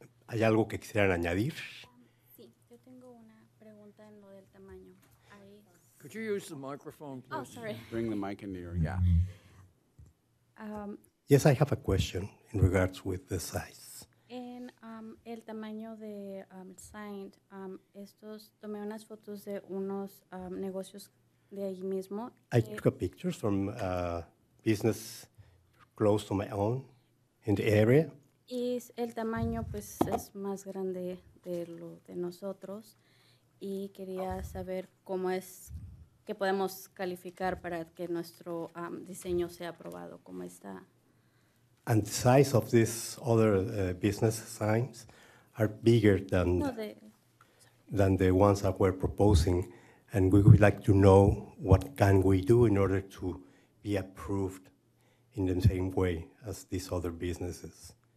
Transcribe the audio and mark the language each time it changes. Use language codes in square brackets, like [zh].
[es] ¿Hay algo que quisieran añadir? [en] Could you use the microphone, please? Oh, sorry. Bring the mic in here, yeah. Yes, I have a question in regards with the size. [es] En el tamaño de sign, estos tomé unas fotos de unos negocios de ahí mismo. [en] I took a picture from a business close to my own in the area. [es] Y el tamaño, pues, es más grande de lo de nosotros. Y quería saber cómo es que podemos calificar para que nuestro diseño sea aprobado, cómo está. [en] And the size of these other business signs are bigger than, than the ones that we're proposing. And we would like to know what can we do in order to be approved in the same way as these other businesses.